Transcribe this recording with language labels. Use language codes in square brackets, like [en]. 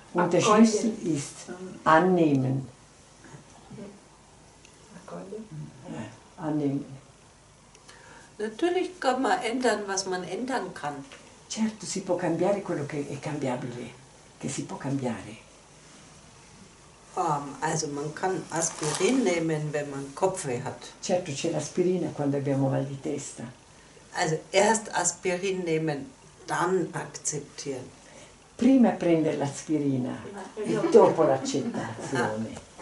[de] Und der Schlüssel ist annehmen. Annehmen. Natürlich kann man ändern, was man ändern kann. [it] Certo, si può cambiare quello che è cambiabile, che si può cambiare. [de] Also man kann Aspirin nehmen, wenn man Kopfweh hat. [it] Certo, c'è l'aspirina quando abbiamo mal di testa. [de] Also erst Aspirin nehmen, dann akzeptieren. [it] Prima prendere l'aspirina e dopo l'accettazione.